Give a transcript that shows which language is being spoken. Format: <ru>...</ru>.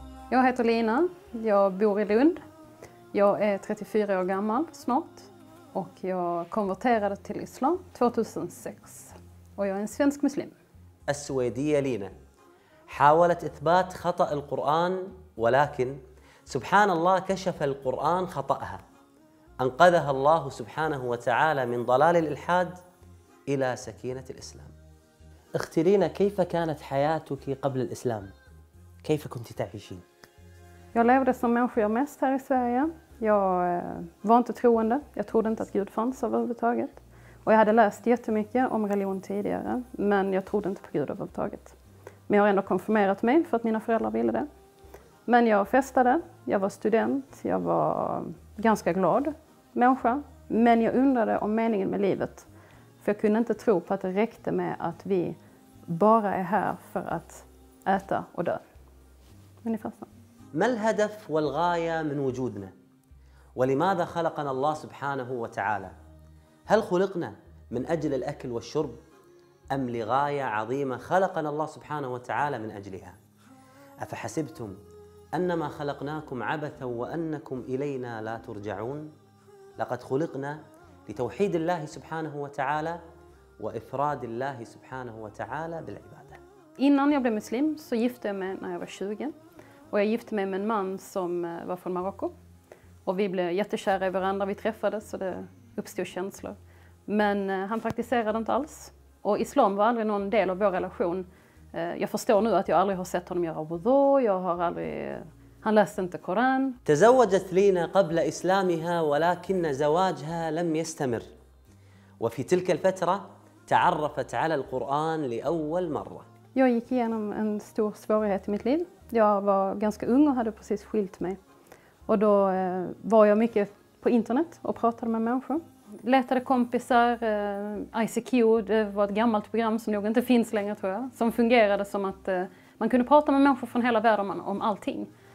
<sv>Jag heter Lina, jag bor i Lund. Jag är 34 år gammal snart och jag konverterade till islam 2006 och jag är en svensk muslim.</sv> <ar>السويديه لينا حاولت اثبات خطا القران ولكن سبحان الله كشف القران خطاها انقذها الله سبحانه وتعالى من ضلال الالحاد الى سكينه الاسلام. اختي لينا كيف كانت حياتك قبل الاسلام؟ كيف كنت تعيشين؟</ar> <sv>Jag levde som människa jag mest här i Sverige. Jag var inte troende. Jag trodde inte att Gud fanns överhuvudtaget. Och jag hade läst jättemycket om religion tidigare. Men jag trodde inte på Gud överhuvudtaget. Men jag har ändå konfirmerat mig för att mina föräldrar ville det. Men jag festade. Jag var student. Jag var ganska glad människa. Men jag undrade om meningen med livet. För jag kunde inte tro på att det räckte med att vi bara är här för att äta och dö. Ungefär så.</sv> <ar>ما الهدف والغاية من وجودنا؟ ولماذا خلقنا الله سبحانه وتعالى؟ هل خلقنا من أجل الأكل والشرب؟ أم لغاية عظيمة خلقنا الله سبحانه وتعالى من أجلها؟ أفحسبتم أنما خلقناكم عبثا وأنكم إلينا لا ترجعون؟ لقد خلقنا لتوحيد الله سبحانه وتعالى وإفراد الله سبحانه وتعالى بالعبادة. إنني يا ابن مسلم صيفت من أنا بشوقة</ar> <sv>Och jag gifte mig med en man som var från Marocko. Och vi blev jättekära i varandra, vi träffades och det uppstod känslor. Men han praktiserade inte alls. Och islam var aldrig någon del av vår relation. Jag förstår nu att jag aldrig har sett honom göra wudu, jag har aldrig... Han läste inte Koran.</sv> <ar>تزوجت لينا قبل إسلامها ولكن زواجها لم يستمر. وفي تلك الفترة تعرفت على القرآن لأول مرة.</ar> <sv>Jag gick igenom en stor svårighet i mitt liv. Jag var ganska ung och hade precis skilt mig. Och då var jag mycket på internet och pratade med människor. Letade kompisar, ICQ, det var ett gammalt program som nog inte finns längre tror jag. Som fungerade som att man kunde prata med människor från hela världen om allting.</sv>